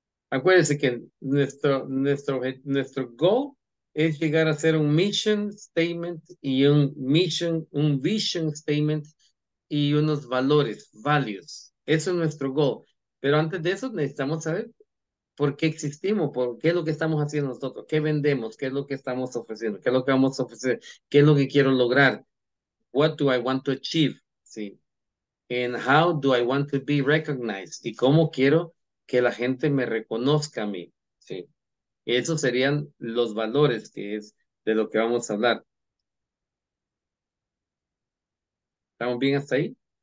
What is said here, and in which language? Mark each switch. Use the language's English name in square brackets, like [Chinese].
[Spanish] Acuérdense que nuestro goal es llegar a hacer un mission statement y un vision statement y unos valores, values. Eso es nuestro goal. Pero antes de eso necesitamos saber por qué existimos, por qué es lo que estamos haciendo nosotros, qué vendemos, qué es lo que estamos ofreciendo, qué es lo que vamos a ofrecer, qué es lo que quiero lograr. [English] What do I want to achieve? [Spanish] Sí. [English] And how do I want to be recognized? [Spanish] ¿Y cómo quiero que la gente me reconozca a mí? Sí. Esos serían los valores que es de lo que vamos a hablar. ¿Estamos bien hasta ahí?